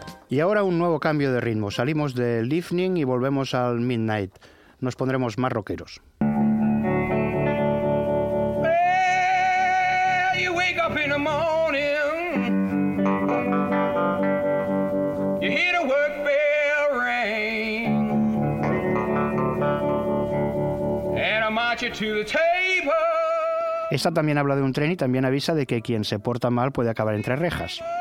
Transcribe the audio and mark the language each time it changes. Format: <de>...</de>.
<es>Y ahora un nuevo cambio de ritmo. Salimos del evening y volvemos al midnight. Nos pondremos más rockeros.</es> <en>Well, you wake up in the morning. You hear the work bell ring. And I march you to the table.</en> <es>Esta también habla de un tren y también avisa de que quien se porta mal puede acabar entre rejas.</es>